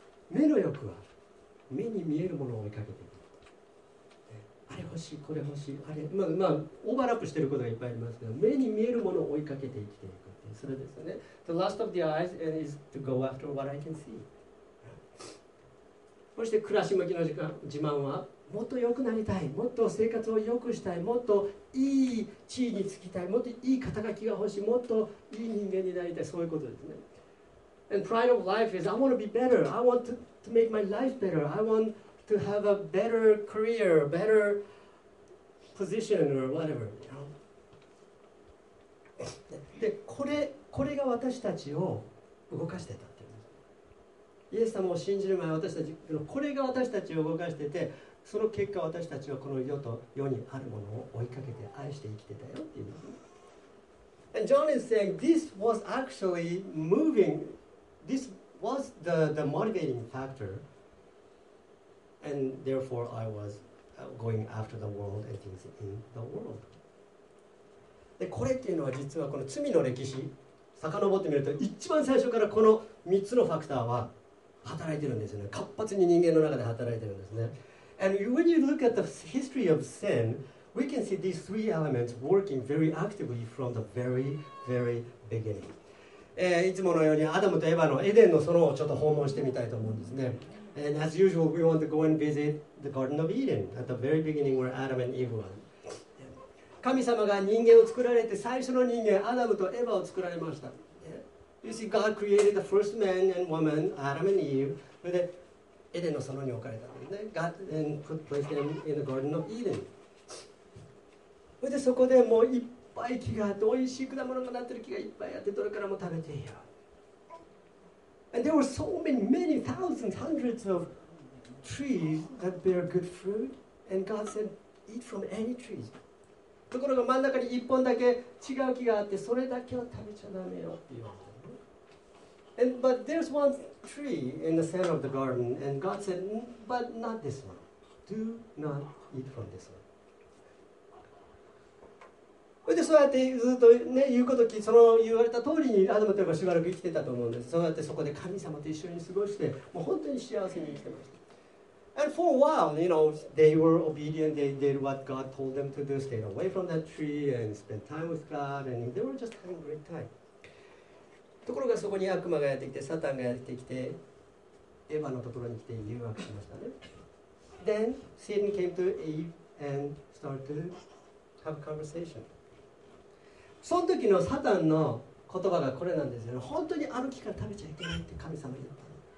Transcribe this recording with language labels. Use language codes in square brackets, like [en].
[ja] 目の欲は目に見えるものを追いかけている。あれ欲しい、これ欲しい、あれ、オーバーラップしていることがいっぱいありますけど、目に見えるものを追いかけて生きていくっていう、それですよね。 [en] The lust of the eyes is to go after what I can see. [ja] そして暮らし向きの自慢は、もっと良くなりたい、もっと生活を良くしたい、もっといい地位につきたい、もっといい肩書きが欲しい、もっといい人間になりたい、そういうことですね。 [en] And pride of life is I want to be better. I want to make my life better. I want to have a better career, better position or whatever. You know? [ja] で、これが私たちを動かしてたっていうんです。イエス様を信じる前、私たちのこれが私たちを動かしてて、その結果私たちはこの世と世にあるものを追いかけて愛して生きてたよっていうんです。 [en] And John is saying this was actually moving. This was the motivating factor, and therefore I was going after the world and things in the world. [ja] で、これっていうのは実はこの罪の歴史、遡ってみると一番最初からこの3つのファクターは働いてるんですよね。活発に人間の中で働いてるんですね。 [en] And when you look at the history of sin, we can see these three elements working very actively from the very, very beginning. [ja] いつものようにアダムとエヴァのエデンの園をちょっと訪問してみたいと思うんですね。 [en] And as usual, we want to go and visit the Garden of Eden at the very beginning where Adam and Eve were. [ja] 神様が人間を作られて最初の人間、アダムとエヴァを作られました。 [en] You see, God created the first man and woman, Adam and Eve, and [ja] エデンの園に置かれたんですね。 [en] God then put place them in the Garden of Eden. [ja] そこでもう一おいしい果物がなってる木がいっぱいあって、どれからも食べていいよ。 [en] And there were so many, many thousands, hundreds of trees that bear good fruit. And God said, eat from any trees. [ja] ところが真ん中に一本だけ違う木があって、それだけは食べちゃダメよって言われた。 [en] And but there's one tree in the center of the garden. And God said, but not this one. Do not eat from this one. [ja] でそうやってずっと、ね、言うことを聞いて、その言われた通りにアダムとエヴァしばらく生きてたと思うんです。そうやってそこで神様と一緒に過ごして、もう本当に幸せに生きてました。 [en] And for a while, you know, they were obedient, they did what God told them to do, stayed away from that tree and spent time with God, and they were just having a great time. [ja] ところがそこに悪魔がやってきて、サタンがやってきて、エヴァのところに来て誘惑しましたね。 [en] Then, Satan came to Eve and started to have a conversation. [ja] その時のサタンの言葉がこれなんですよ。本当にあの木から食べちゃいけないって神様言った。